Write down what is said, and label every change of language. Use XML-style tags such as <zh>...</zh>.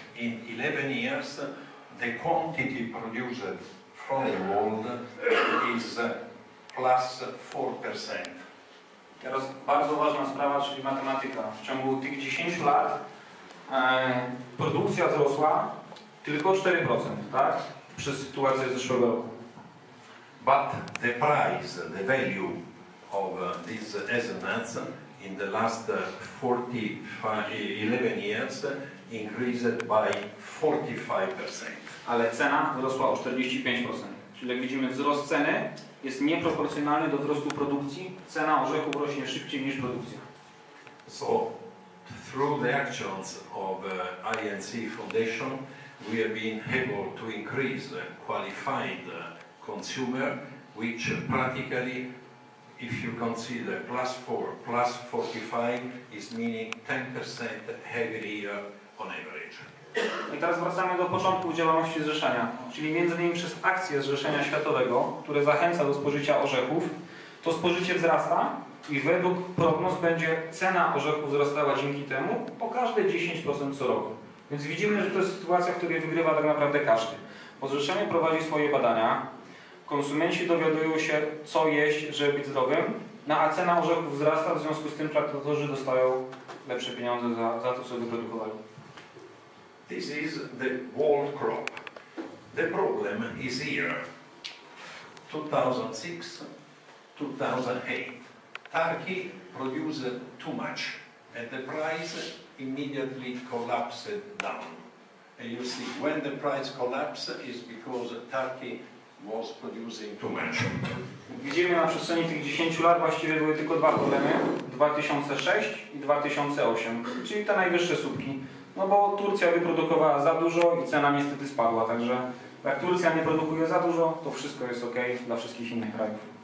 <en>In 11 years, the quantity produced from the world is plus 4%.</en> <pl>Teraz bardzo ważna sprawa, czyli matematyka. W ciągu tych 10 lat produkcja wzrosła tylko 4%, tak? Przez sytuację zeszłego roku.</pl> <en>But the price, the value of these hazelnuts in the last 11 years increased by 45%.</en> <pl>Ale cena wzrosła o 45%. Czyli jak widzimy, wzrost ceny jest nieproporcjonalny do wzrostu produkcji. Cena orzechów rośnie szybciej niż produkcja.</pl> <en>So, through the actions of INC Foundation, we have been able to increase the qualified consumer, which practically, if you consider plus 4, plus 45, is meaning 10% heavier on average.</en> <pl>I teraz wracamy do początku działalności zrzeszenia, czyli między innymi przez akcję Zrzeszenia Światowego, które zachęca do spożycia orzechów, to spożycie wzrasta i według prognoz będzie cena orzechów wzrastała dzięki temu o każde 10% co roku. Więc widzimy, że to jest sytuacja, w której wygrywa tak naprawdę każdy. Bo zrzeszenie prowadzi swoje badania, konsumenci dowiadują się, co jeść, żeby być zdrowym, no a cena orzechów wzrasta, w związku z tym traktatorzy dostają lepsze pieniądze za to, co wyprodukowali.</pl> <en>This is the world crop. The problem is here. 2006, 2008. Turkey produced too much and the price immediately collapsed down. And you see, when the price collapsed is because Turkey was producing too much.</en> <pl>Widzimy na przestrzeni tych 10 lat właściwie były tylko dwa problemy. 2006 i 2008, czyli te najwyższe słupki. No bo Turcja wyprodukowała za dużo i cena niestety spadła, także jak Turcja nie produkuje za dużo, to wszystko jest ok dla wszystkich innych krajów.</pl>